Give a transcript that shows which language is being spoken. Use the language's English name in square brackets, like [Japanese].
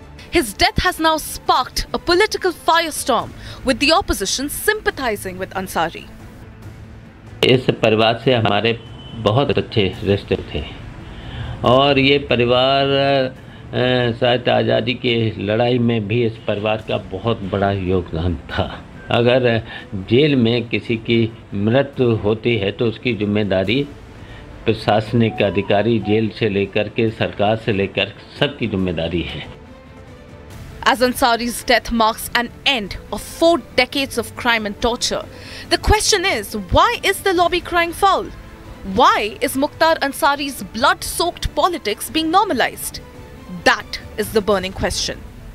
[English] His death has now sparked a political firestorm with the opposition sympathizing with Ansari. [Hindi] इस परिवार से हमारे बहुत अच्छे रिश्ते थे और ये परिवार साहित्य आजादी के लड़ाई में भी इस परिवार का बहुत बड़ा योगदान था. अगर जेल में किसी की मृत्यु होती है तो उसकी जिम्मेदारी प्रशासनिक अधिकारी जेल से लेकर के सरकार से लेकर सबकी जिम्मेदारी है। [English] As Ansari's death marks an end of four decades of crime and torture, the question is, why is the lobby crying foul? Why is Mukhtar Ansari's blood-soaked politics being normalized? That is the burning question.